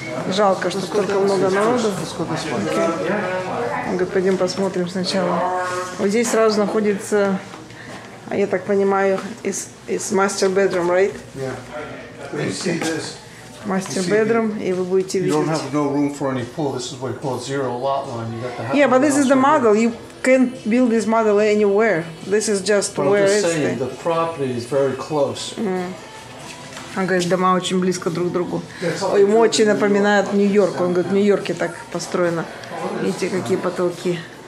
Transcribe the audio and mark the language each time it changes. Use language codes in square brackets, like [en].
[ru] Жалко, что столько много народу. [en] Okay. [ru] Пойдем посмотрим сначала. Вот здесь сразу находится, я так понимаю, [en] is master bedroom, right? Yeah. [ru] Мастер бедрум, и вы будете видеть. [en] You don't have no room for any pool. This is what we call zero lot line. You got the house. Yeah, but this is the model. Right, you can't build this model anywhere. This is just but where it's. I'm just saying the property is very close. [ru] Он говорит, дома очень близко друг к другу. Ему очень напоминает Нью-Йорк. Он говорит, в Нью-Йорке так построено. Видите, какие потолки.